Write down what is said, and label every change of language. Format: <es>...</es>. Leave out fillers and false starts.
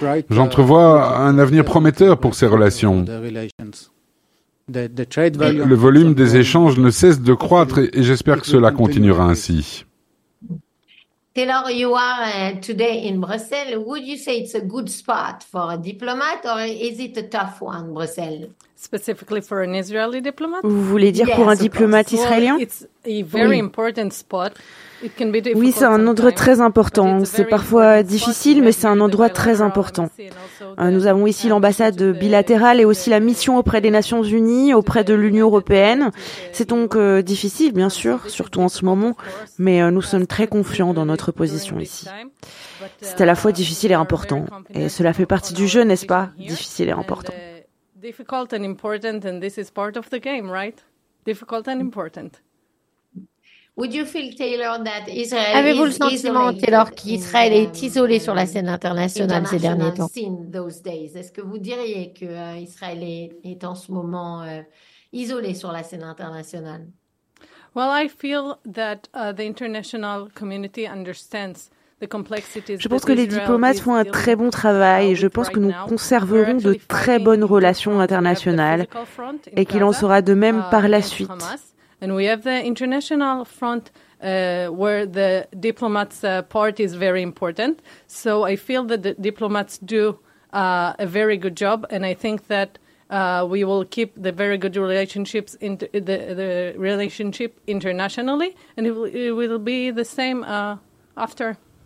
<fr>J'entrevois un avenir prometteur pour ces relations. Le volume des échanges ne cesse de croître et j'espère que cela continuera ainsi.</fr> <en>Taylor, you are today in Brussels. Would you say it's a good spot for a diplomat or is it a tough one, Brussels? Specifically for an Israeli diplomat?</en> <fr>Vous voulez dire pour un diplomate israélien?</fr> <en>It's a very important spot.</en> <fr>Oui, c'est un endroit très important. C'est parfois difficile, mais c'est un endroit très important. Nous avons ici l'ambassade bilatérale et aussi la mission auprès des Nations Unies, auprès de l'Union européenne. C'est donc difficile, bien sûr, surtout en ce moment, mais nous sommes très confiants dans notre position ici. C'est à la fois difficile et important. Et cela fait partie du jeu, n'est-ce pas? Difficile et important.</fr> <en>Difficult and important, and this is part of the game, right? Difficult and important. Would you feel, Taylor, that Israel</en> <fr>avez-vous</fr> <en>is</en> <fr>le sentiment, Taylor, qu'Israël est isolé sur la scène internationale ces derniers temps? Est-ce que vous diriez qu'Israël est en ce moment isolé sur la scène internationale?</fr> <en>Well, I feel that the international community understands.</en> <fr>Je pense que les diplomates font un très bon travail et je pense que nous conserverons de très bonnes relations internationales et qu'il en sera de même par la suite.</fr> <en>And we have the international front where the diplomats part is very important. So I feel that the diplomats do a very good job and I think that we will keep the very good relationships in the relationship internationally and it will be the same after.</en>